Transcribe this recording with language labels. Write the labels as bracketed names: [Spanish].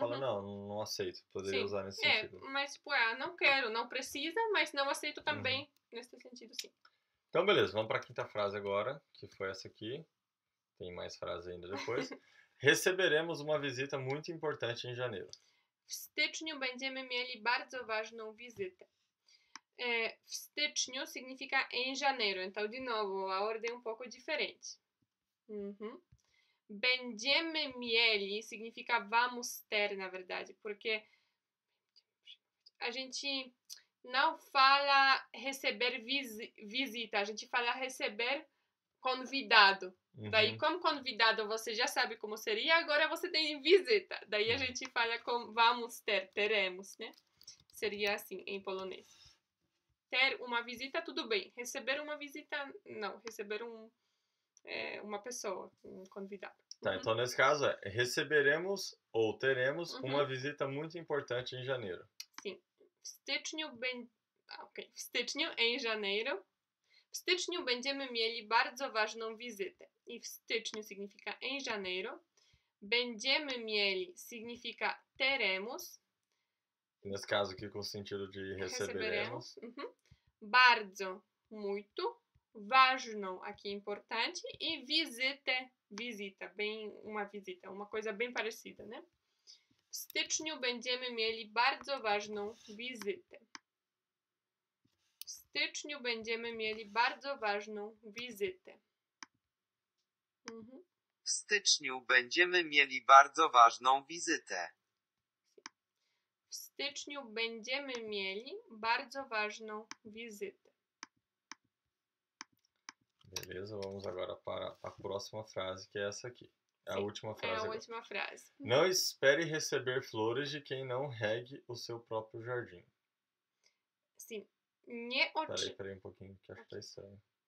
[Portuguese] fala, não, não aceito. Poderia sim. usar nesse é, sentido. Mas, tipo, não quero, não precisa, mas não aceito também uhum. nesse sentido, sim. Então, beleza, vamos pra quinta frase agora, que foi essa aqui. Tem mais frase ainda depois. Receberemos uma visita muito importante em janeiro. [Polish] W styczniu będziemy mieli bardzo ważną wizytę. W styczniu [Portuguese] significa em janeiro. Então, de novo, a ordem é um pouco diferente. Uhum. [Polish] Będziemy mieli [Portuguese] significa vamos ter, na verdade. Porque a gente não fala receber visita. A gente fala receber convidado. Uhum. Daí, como convidado, você já sabe como seria, agora você tem visita. Daí a gente fala com vamos ter, teremos, né? Seria assim, em polonês. Ter uma visita, tudo bem. Receber uma visita, não. Receber uma pessoa, um convidado. Tá, uhum. Então nesse caso receberemos ou teremos uhum. uma visita muito importante em janeiro. Sim. [Polish] W styczniu, ok. W styczniu, [Portuguese] em janeiro. [Polish] W styczniu będziemy mieli bardzo ważną wizytę. I w styczniu [Portuguese] significa em janeiro. [Polish] Będziemy mieli [Portuguese] significa teremos. Nesse caso aqui com o sentido de receberemos. Uhum. [Polish] Bardzo, [Portuguese] muito. [Polish] Ważną, [Portuguese] aqui importante. E visite, visita. Bem, uma visita, uma coisa bem parecida, né? [Polish] W styczniu będziemy mieli bardzo ważną wizytę. W styczniu będziemy mieli bardzo ważną wizytę. W styczniu będziemy mieli bardzo ważną wizytę. W styczniu będziemy mieli bardzo ważną wizytę. [Portuguese] Beleza, vamos agora para a próxima frase, que é essa aqui. É a última frase. É a última frase. Não espere receber flores de quem não regue o seu próprio jardim. Sim. Peraí um pouquinho, que acho que tá estranho.